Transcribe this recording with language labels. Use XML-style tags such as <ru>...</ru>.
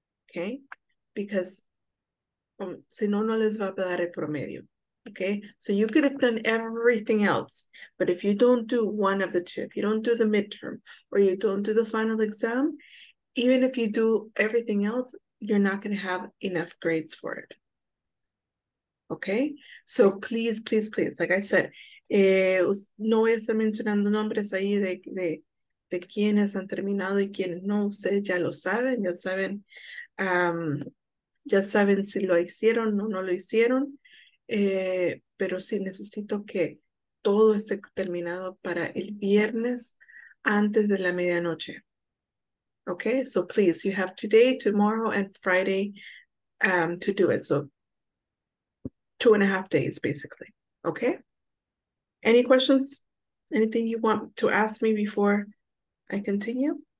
<en>Okay, because</en> <es>si no, no les va a dar el promedio.</es> <en>Okay, so you could have done everything else, but if you don't do one of the two, if you don't do the midterm or you don't do the final exam, even if you do everything else, you're not going to have enough grades for it. Okay, so please, please, please, like I said,</en> <es>no voy a estar mencionando nombres ahí de quienes han terminado y quienes no, ustedes ya lo saben, ya saben si lo hicieron o no lo hicieron. Pero sí necesito que todo esté terminado para el viernes antes de la medianoche.</es> <en>Okay, so please, you have today, tomorrow, and Friday to do it. So 2.5 days, basically. Okay? Any questions? Anything you want to ask me before I continue?</en>